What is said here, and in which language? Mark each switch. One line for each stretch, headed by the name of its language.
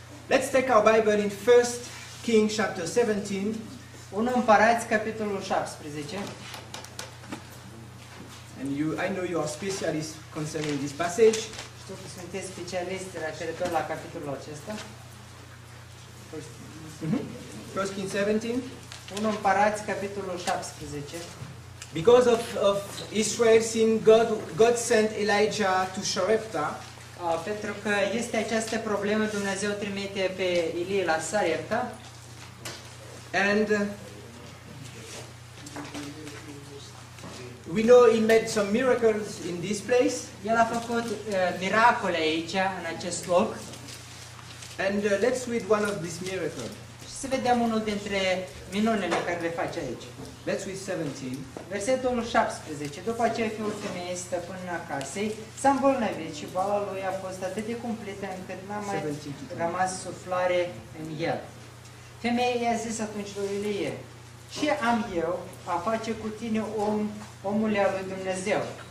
English: Let's take our Bible in 1 Kings chapter 17.
Romanian: 1 Împărați, capitolul 17.
English: And I know you are specialist concerning this passage.
Romanian: Știu că sunteți specialist referitor la capitolul acesta.
English: 1 Kings 17.
Romanian: 1 Împărați, capitolul 17.
English: Because of Israel sin, God sent Elijah to Sarepta.
Romanian: Pentru că este această problemă, Dumnezeu trimite pe Ilie la Sarepta.
English: And we know he made some miracles in this place.
Romanian: El a făcut miracole aici, în acest loc.
English: And let's read one of these miracles.
Romanian: Să vedem unul dintre minunile care le face aici.
English: Let's read 17.
Romanian: Versetul 17. După aceea fiul femeii stăpânii casei s-a îmbolnăvit și boala lui a fost atât de cumplită încât n-a mai 17. Rămas suflare în el. Femeia i-a zis atunci lui Ilie, ce am eu a face cu tine, omule al lui Dumnezeu?